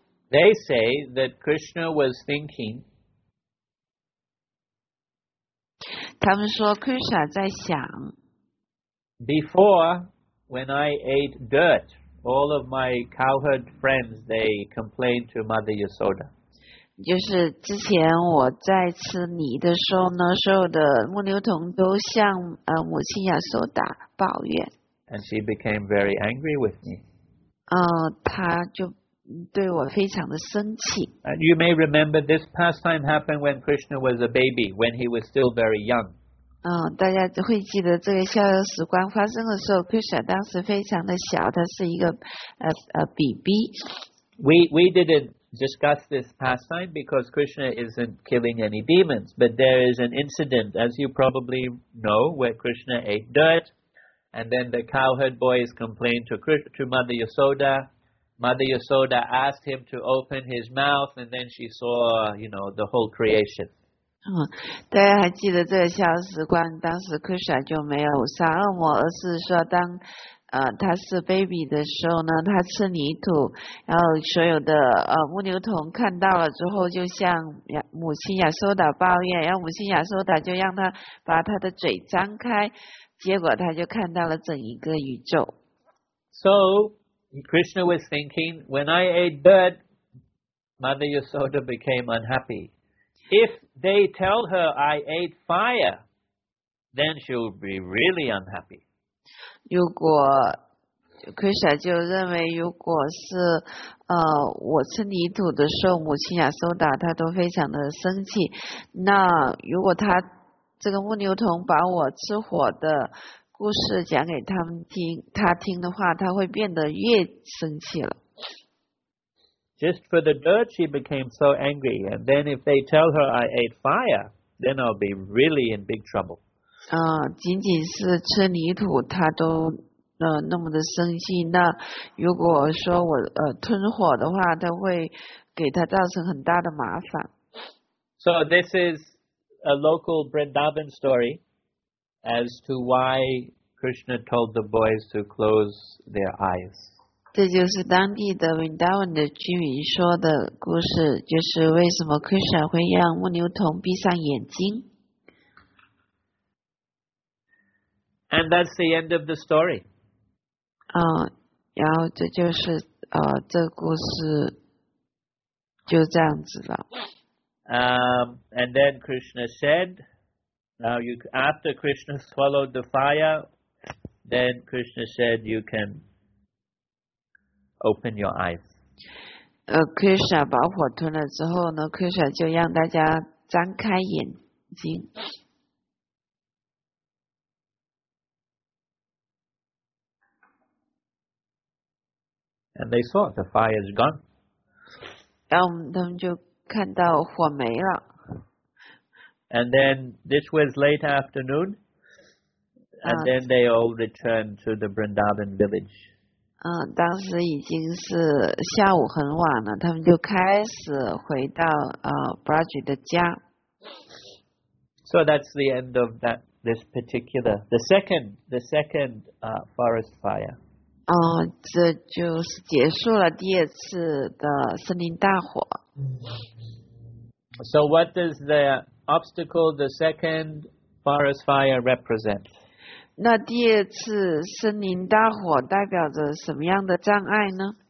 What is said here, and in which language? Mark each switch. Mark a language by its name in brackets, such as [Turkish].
[English] They say that Krishna was thinking. [Chinese] 他们说 Krishna 在想。 [English] Before, when I ate dirt. All of my cowherd friends, they complained to Mother Yasoda. [Chinese] 就是之前我在吃泥的时候呢，所有的牧牛童都向母亲亚索达抱怨。 [English] And she became very angry with me. [Chinese] 她就对我非常的生气。 [English] And you may remember this pastime happened when Krishna was a baby, when he was still very young. [Chinese] 大家会记得这个逍遥时光发生的时候 ，Krishna 当时非常的小，他是一个BB。 [English] We didn't discuss this pastime because Krishna isn't killing any demons, but there is an incident, as you probably know, where Krishna ate dirt, and then the cowherd boys complained to Mother Yasoda. Mother Yasoda asked him to open his mouth, and then she saw, you know, the whole creation. [Chinese] 大家还记得这个逍遥时光，当时 Krishna 就没有杀恶魔，而是说当他是 baby 的时候呢，他吃泥土，然后所有的牧牛童看到了之后，就向母亲亚苏达抱怨，然后母亲亚苏达就让他把他的嘴张开，结果他就看到了整一个宇宙。 [English] So Krishna was thinking, when I ate dirt, Mother Yasoda became unhappy. If they tell her I ate fire, then she'll be really unhappy. [Chinese] 如果 Krishna 就认为如果是我吃泥土的时候，母亲亚苏达她都非常的生气。那如果他这个牧牛童把我吃火的故事讲给他们听，他听的话，他会变得越生气了。 [English] Just for the dirt, she became so angry. And then if they tell her I ate fire, then I'll be really in big trouble. [Chinese] 仅仅是吃泥土，她都那么的生气。那如果说我吞火的话，她会给她造成很大的麻烦。 [English] So this is a local Vrindavan story as to why Krishna told the boys to close their eyes. [Chinese] 这就是当地的 Vrindavan 的居民说的故事，就是为什么 Krishna 会让牧牛童闭上眼睛。 [English] And that's the end of the story. [Chinese] 然后这就是这故事就这样子了。 [English] And then Krishna said, now you, after Krishna swallowed the fire, then Krishna said, you can. Open your eyes. [Chinese] Krishna 把火吞了之后呢 ，Krishna 就让大家张开眼睛。 [English] And they saw the fire is gone. [Chinese] 然后他们就看到火没了。 [English] And then this was late afternoon, and then they all returned to the Vrindavan village. [Chinese] 当时已经是下午很晚了，他们就开始回到Braj的家。 [English] So that's the end of that this particular the second forest fire. [Chinese] 这就是结束了第二次的森林大火。 [English] So what does the obstacle the second forest fire represent? [Chinese] 那第二次森林大火代表着什么样的障碍呢